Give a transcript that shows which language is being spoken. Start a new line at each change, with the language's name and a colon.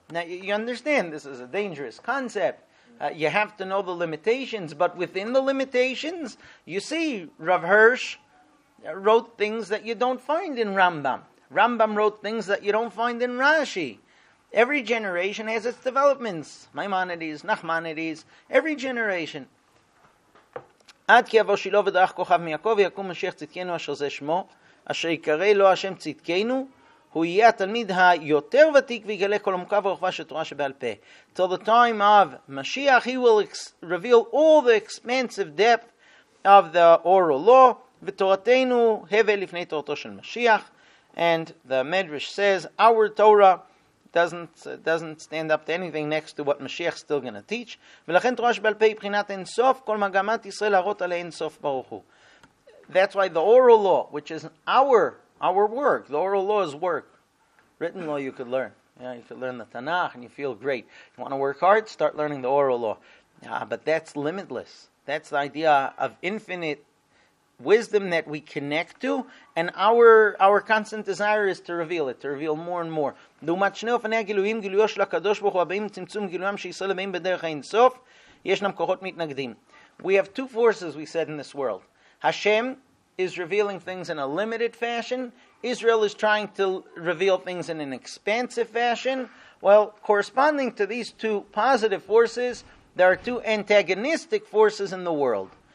English: Now, you understand this is a dangerous concept. You have to know the limitations. But within the limitations, you see, Rav Hirsch wrote things that you don't find in Rambam. Rambam wrote things that you don't find in Rashi. Every generation has its developments. Maimonides, Nachmanides, every generation.
Hebrew: עד כי אבו שילו ודרך כוכב מיעקב יקום משיח צדקנו אשר זה שמו, אשר יקרא לו השם צדקנו, הוא יהיה התלמיד היותר ותיק ויגלה כל עמוקה ורוחבה של תורה שבעל פה.
English: Till the time of Mashiach, he will reveal all the expansive depth of the oral law,
Hebrew: ותורתנו הבל לפני תורתו של משיח.
English: And the Medrash says, our Torah doesn't stand up to anything next to what Mashiach is still going to teach.
Hebrew: ולכן תורה שבעל פה היא בחינת אין סוף, כל מגמת ישראל להראות עליה אין סוף ברוך הוא.
English: That's why the oral law, which is our work, the oral law is work. Written law you could learn. Yeah, you could learn the Tanakh and you feel great. You want to work hard? Start learning the oral law. But that's limitless. That's the idea of infinite wisdom that we connect to, and our constant desire is to reveal it, to reveal more and more.
Hebrew: לעומת שני אופני הגילויים, גילויו של הקדוש ברוך הוא הבאים צמצום גילויים שישראל הבאים בדרך האינסוף, ישנם כוחות מתנגדים.
English: We have two forces, we said, in this world. Hashem is revealing things in a limited fashion. Israel is trying to reveal things in an expansive fashion. Well, corresponding to these two positive forces, there are two antagonistic forces in the world.